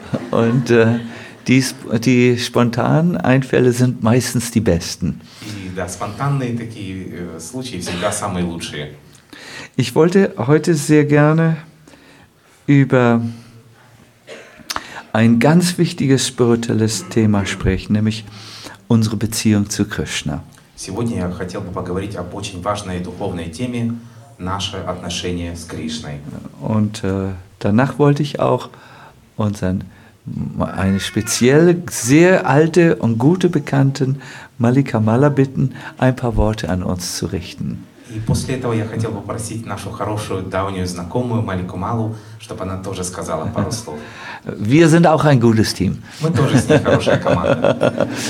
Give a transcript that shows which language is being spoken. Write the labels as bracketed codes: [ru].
[de] Und die spontanen Einfälle sind meistens die besten. [ru] Да, спонтанные такие случаи всегда самые лучшие. [de] Ich wollte heute sehr gerne über... ein ganz wichtiges spirituelles Thema sprechen, nämlich unsere Beziehung zu Krishna. [ru] Сегодня я хотел бы поговорить об очень важной духовной теме, наше отношение с Кришной. [de] Und danach wollte ich auch unseren eine spezielle, sehr alte und gute Bekannten Malikamala bitten, ein paar Worte an uns zu richten. [ru] И после этого я хотел попросить нашу хорошую давнюю знакомую Малику Малу, чтобы она тоже сказала пару слов. [de] Wir sind auch ein gutes Team. [ru] Мы тоже с ней хорошая команда.